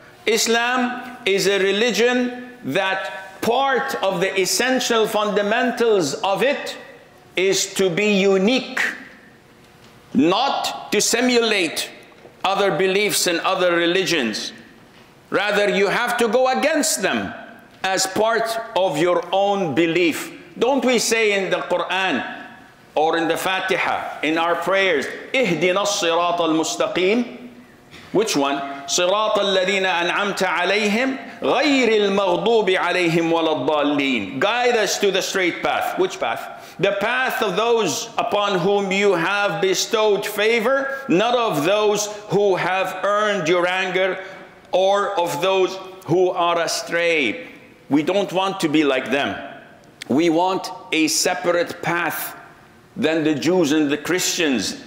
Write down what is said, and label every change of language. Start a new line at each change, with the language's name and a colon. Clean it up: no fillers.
English: Islam is a religion that part of the essential fundamentals of it is to be unique, not to simulate other beliefs and other religions. Rather, you have to go against them as part of your own belief. Don't we say in the Quran, or in the Fatiha, in our prayers,
Arabic: اِهْدِنَا الصِّرَاطَ الْمُسْتَقِيمِ
English: Which one?
Arabic: صِرَاطَ الَّذِينَ أَنْعَمْتَ عَلَيْهِمْ غَيْرِ الْمَغْضُوبِ عَلَيْهِمْ وَلَا الضَّالِّينَ
English: Guide us to the straight path. Which path? The path of those upon whom you have bestowed favor, not of those who have earned your anger, or of those who are astray. We don't want to be like them. We want a separate path than the Jews and the Christians.